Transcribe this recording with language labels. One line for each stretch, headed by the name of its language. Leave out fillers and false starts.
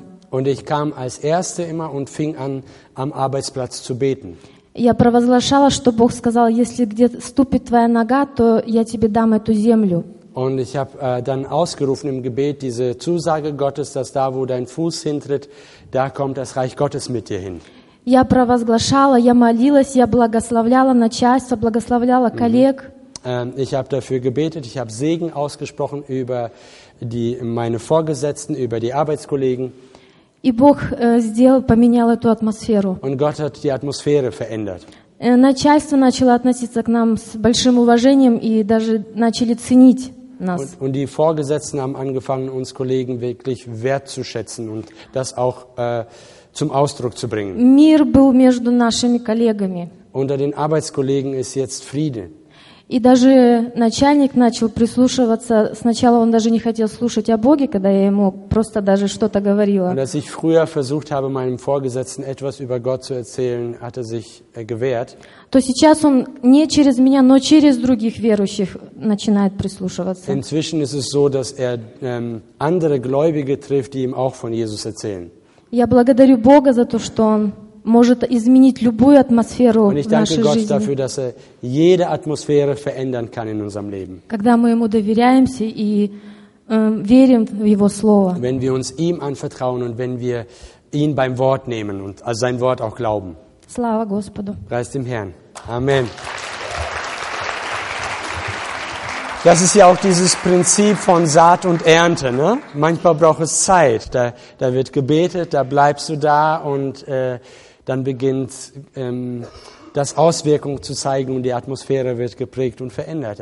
German: Und ich kam als Erste immer und fing an, am Arbeitsplatz zu beten.
Russian: Я провозглашала, что Бог сказал, если где ступит твоя нога, то я тебе дам эту землю.
German: Und ich habe dann ausgerufen im Gebet diese Zusage Gottes, dass da, wo dein Fuß hintritt, da kommt das Reich Gottes mit dir hin.
Russian: Я провозглашала, я молилась, я благословляла начальство, благословляла коллег.
German: Ich habe dafür gebetet, ich habe Segen ausgesprochen über meine Vorgesetzten, über die Arbeitskollegen.
Russian: И Бог сделал, поменял эту атмосферу.
German: Und Gott hat die Atmosphäre verändert.
Russian: Начальство начало относиться к нам с большим уважением и даже начали ценить нас.
German: Und die Vorgesetzten haben angefangen, uns Kollegen wirklich wertzuschätzen und das auch zum Ausdruck zu bringen.
Russian: Мир был между нашими коллегами.
German: Unter den Arbeitskollegen ist jetzt Friede.
Russian: И даже начальник начал прислушиваться. Сначала он даже не хотел слушать о Боге, когда я ему просто даже что-то говорила.
German: Und als ich früher versucht habe, meinem Vorgesetzten etwas über Gott zu erzählen, hat er sich gewehrt.
Russian: То сейчас он не через меня, но через других верующих начинает прислушиваться.
German: Inzwischen ist es so, dass er andere Gläubige trifft, die ihm auch von Jesus erzählen.
Russian: Я благодарю Бога за то, что он может изменить любую атмосферу в нашей жизни.
German: Dafür, dass er jede Atmosphäre verändern kann in unserem Leben.
Russian: Когда мы ему доверяемся и верим в его слово.
German: Wenn wir uns ihm anvertrauen und wenn wir ihn beim Wort nehmen und also sein Wort auch glauben.
Russian: Слава Господу.
German: Preist dem Herrn. Amen. Das ist ja auch dieses Prinzip von Saat und Ernte. Ne? Manchmal braucht es Zeit. Da wird gebetet, da bleibst du da und dann beginnt das Auswirkungen zu zeigen und die Atmosphäre wird geprägt und verändert.